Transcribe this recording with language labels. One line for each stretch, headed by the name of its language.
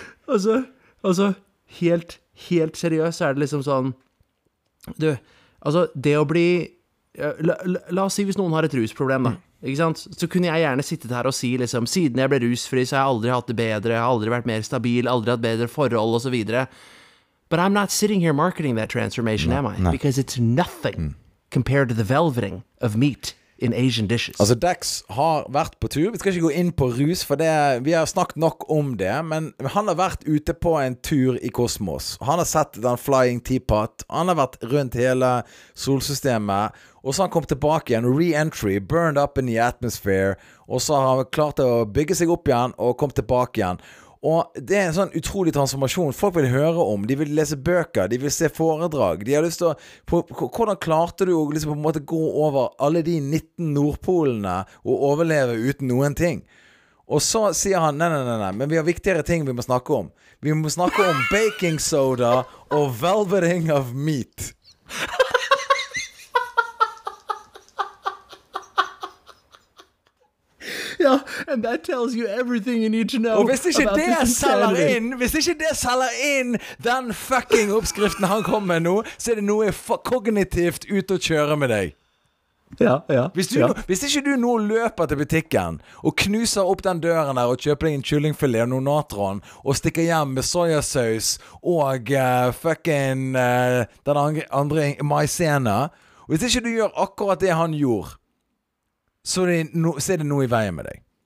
Norwegian: altså, helt, helt seriøst er det liksom sånn... Du, altså, det å bli... La oss si hvis noen har et rusproblem, da. Ikke sant? Så kunne jeg gjerne sittet her og si liksom, siden jeg ble rusfri så har jeg aldri hatt det bedre, jeg har aldri vært mer stabil, aldri hatt bedre forhold og så videre.
English: But I'm not sitting here marketing that transformation, am I? No. Because it's nothing compared to the velveting of meat in Asian dishes.
Norwegian: Altså Dex har vært på tur, vi skal ikke gå inn på rus, for det, vi har snakket nok om det, men han har vært ute på en tur i kosmos. Han har sett den
English: flying teapot,
Norwegian: han har vært rundt hele solsystemet, og så han kom tilbake igjen, re-entry,
English: burned up in the atmosphere,
Norwegian: og så har han klart å bygge seg opp igjen og kom tilbake igjen. Og det er en sånn utrolig transformasjon folk vil høre om. De vil lese bøker, de vil se foredrag. De har lyst til å, hvordan klarte du å liksom på en måte gå over alle de 19 nordpolene og overleve uten noen ting? Og så sier han, nei, men vi har viktigere ting vi må snakke om. Vi må snakke om baking soda og
English: velveting of meat. Ja, and that tells you everything you need to know.
Norwegian: Og hvis ikke det selger inn, den fucking oppskriften han kom med nå, så er det noe kognitivt ut å kjøre med deg. Ja. Hvis ikke du nå løper til butikken og knuser opp den døren der og kjøper deg en kyllingfilet og noen natron og stikker hjem med sojasaus og den andre maisena, hvis ikke du gjør akkurat det han gjorde, så er det noe i veien med deg.